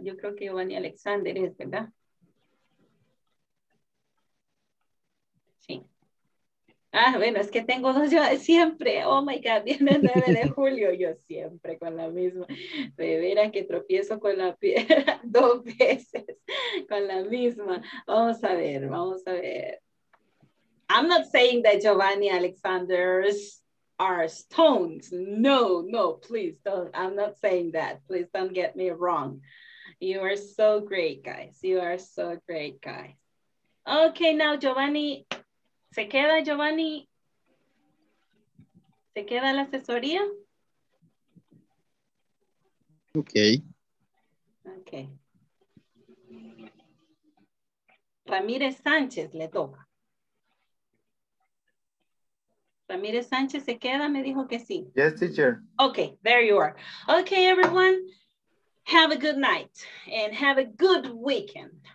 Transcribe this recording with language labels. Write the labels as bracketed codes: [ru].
[es] Yo creo que Giovanni Alexander es, ¿verdad? Sí. Ah, bueno, es que tengo dos ciudades siempre. [en] Oh my God, [es] viene el 9 de julio. Yo siempre con la misma. De veras que tropiezo con la piedra dos veces con la misma. Vamos a ver, vamos a ver. [en] I'm not saying that Giovanni Alexander's are stones. No, no, please don't. I'm not saying that. Please don't get me wrong. You are so great, guys. You are so great, guys. Okay, now [es] Giovanni. ¿Se queda Giovanni? ¿Se queda la asesoría? [en] Okay. Okay. [es] Ramírez Sánchez le toca. Ramírez Sánchez se queda, me dijo que sí. [en] Yes, teacher. Okay, there you are. Okay, everyone. Have a good night and have a good weekend.